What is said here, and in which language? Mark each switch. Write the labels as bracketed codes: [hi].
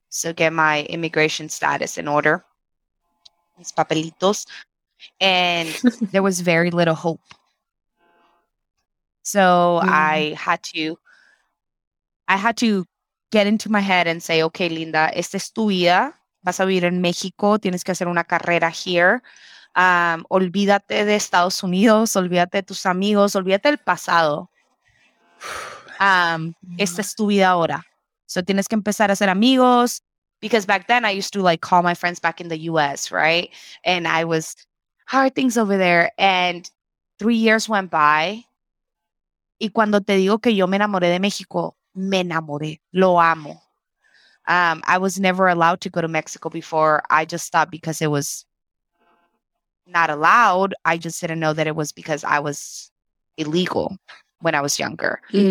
[en] So get my immigration status in order. [es] Mis papelitos. [en] And there was very little hope. So I had to get into my head and say, okay, Linda, [es] esta es tu vida. Vas a vivir en México. Tienes que hacer una carrera here. Olvídate de Estados Unidos. Olvídate de tus amigos. Olvídate del pasado. Esta es tu vida ahora. So tienes que empezar a hacer amigos. [en] Because back then I used to like call my friends back in the U.S., right? And I was, how are things over there? And 3 years went by. [es] Y cuando te digo que yo me enamoré de México, me enamoré, lo amo. [en] I was never allowed to go to Mexico before. I just thought because it was not allowed. I just didn't know that it was because I was illegal when I was younger.